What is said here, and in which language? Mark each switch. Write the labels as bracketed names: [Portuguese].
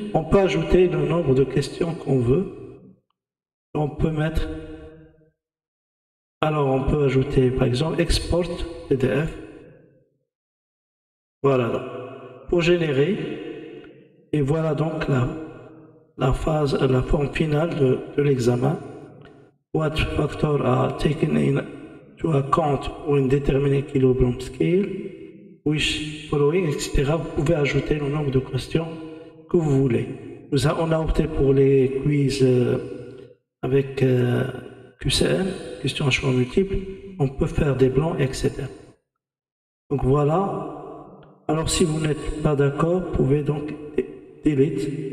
[French] On peut ajouter le nombre de questions qu'on veut. On peut mettre, alors on peut ajouter par exemple export PDF. Voilà, donc, pour générer. Et voilà donc la phase, la forme finale de l'examen. [English] What factor are taken into account when determining equilibrium scale? Which following, etc. [French] Vous pouvez ajouter le nombre de questions que vous voulez. On a opté pour les quiz avec QCM, questions à choix multiples. On peut faire des blancs, etc. Donc voilà. Alors si vous n'êtes pas d'accord, vous pouvez donc delete.